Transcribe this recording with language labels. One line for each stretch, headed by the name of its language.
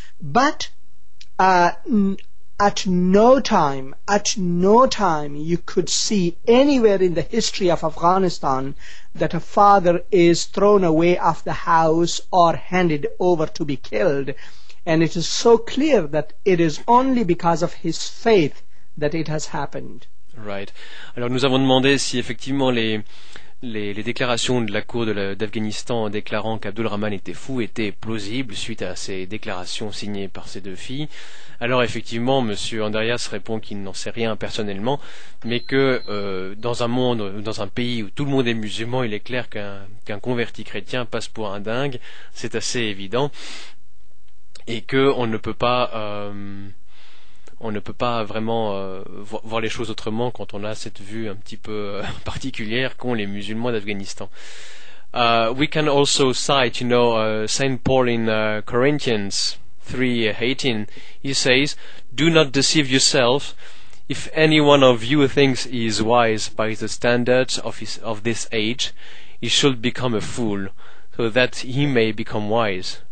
English: But at no time you could see anywhere in the history of Afghanistan that a father is thrown away of the house or handed over to be killed. And it is so clear that it is only because of his faith that it has happened. Right.
French: Alors nous avons demandé si effectivement les déclarations de la cour d'Afghanistan déclarant qu'Abdulrahman était fou étaient plausibles suite à ces déclarations signées par ses deux filles. Alors effectivement, Monsieur Andarias répond qu'il n'en sait rien personnellement, mais que dans un pays où tout le monde est musulman, il est clair qu'un converti chrétien passe pour un dingue, c'est assez évident, et que on ne peut pas vraiment voir les choses autrement quand on a cette vue un petit peu particulière qu'ont les musulmans d'Afghanistan.
English: We can also cite, you know, Saint Paul in Corinthians 3:18. He says, "Do not deceive yourself. If any one of you thinks he is wise by the standards of this age, he should become a fool, so that he may become wise."